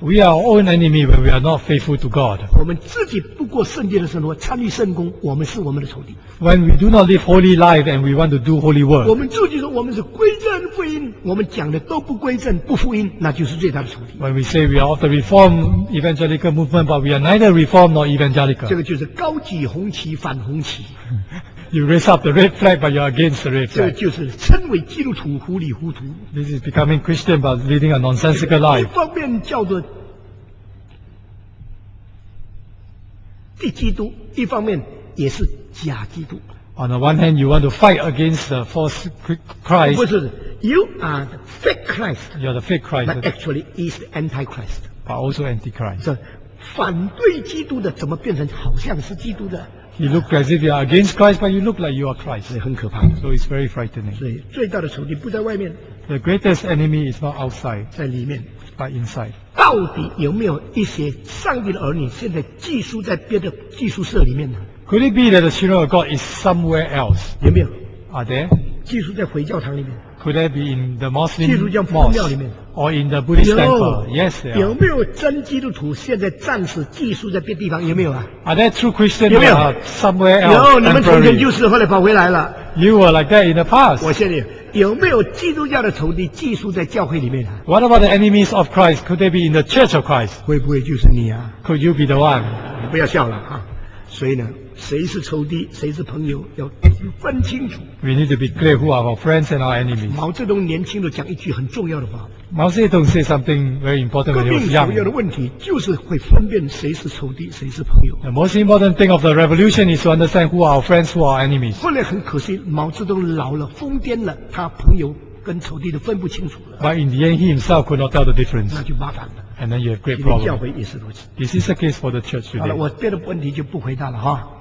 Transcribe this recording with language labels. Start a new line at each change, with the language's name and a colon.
English: We are our own enemy when we are not faithful to God.
Chinese: 我们自己不过圣洁的生活，参与圣工，我们是我们的仇敌。
English: When we do not live holy life and we want to do holy work.
Chinese: 我们自己说我们是归正福音，我们讲的都不归正不福音，那就是最大的仇敌。
English: When we say we are of the Reformed Evangelical movement, but we are neither Reformed nor Evangelical.
Chinese: 这个就是高举红旗反红旗。
English: You raise up the red flag, but you are against the red flag.
Chinese: 这个就是称为基督徒糊里糊涂。
English: This is becoming Christian, but leading a nonsensical life.
Chinese: 一方面叫做敌基督，一方面也是假基督。
English: On the one hand, you want to fight against the false Christ.
Chinese: 不是的
English: ，You are the fake Christ. You are the fake Christ. But actually, is the Antichrist. But also Antichrist.
Chinese: 是反对基督的，怎么变成好像是基督的
English: ？You look as if you are against Christ, but you look like you are Christ.
Chinese: 所以很可怕。
English: So it's very frightening.
Chinese: 所以最大的仇敌不在外面。
English: The greatest enemy is not outside.
Chinese: 在里面。
English: But inside.
Chinese: 到底有没有一些上帝的儿女现在寄宿在别的寄宿舍里面呢？
English: Could it be that the children of God is somewhere else?
Chinese: 有没有
English: Are there?
Chinese: 寄宿在回教堂里面。
English: Could that be in the Muslim
Chinese: 寄宿教佛庙里面
English: or in the Buddhist temple? Yes.
Chinese: 有没有真基督徒现在暂时寄宿在别地方？有没有啊
English: ？Are there true Christians?
Chinese: 有没有
English: somewhere else?
Chinese: 有，你们从前就是，后来跑回来了。
English: You were like that in the past.
Chinese: 我现在有没有基督教的仇敌寄宿在教会里面
English: ？What about the enemies of Christ? Could they be in the Church of Christ?
Chinese: 会不会就是你啊
English: ？Could you be the one?
Chinese: 不要笑了啊！所以呢，谁是仇敌，谁是朋友，要分清楚。
English: We need to be clear who are our friends and our enemies.
Chinese: 毛泽东年轻的讲一句很重要的话。
English: 毛泽东 said something very important when he was young.
Chinese: 革命主要的问题就是会分辨谁是仇敌，谁是朋友。
English: The most important thing of the revolution is to understand who are our friends, who are our enemies.
Chinese: 后来很可惜，毛泽东老了，疯癫了，他朋友跟仇敌都分不清楚了。
English: But in the end, he himself could not tell the difference.
Chinese: 那就麻烦了。
English: And then you have great problems.
Chinese: 教会也是如此。
English: This is a case for the church today.
Chinese: 好了，我别的问题就不回答了哈。